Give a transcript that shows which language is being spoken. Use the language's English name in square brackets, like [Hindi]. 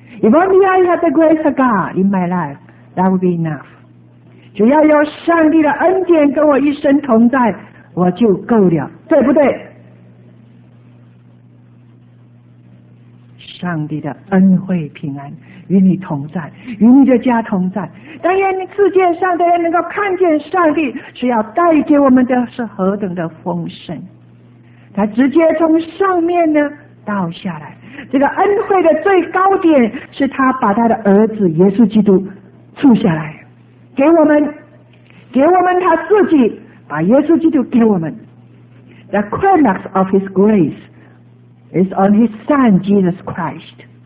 [English] If only I had the grace of God in my life, that would be enough. [Chinese] 只要有上帝的恩典跟我一生同在，我就够了，对不对？上帝的恩惠平安与你同在，与你的家同在。但愿你自见上帝，能够看见上帝是要带给我们的是何等的丰盛。他直接从上面呢倒下来，这个恩惠的最高点是他把他的儿子耶稣基督赐下来给我们，给我们他自己，把耶稣基督给我们。 [English] The climax of his graceIs on His Son Jesus Christ.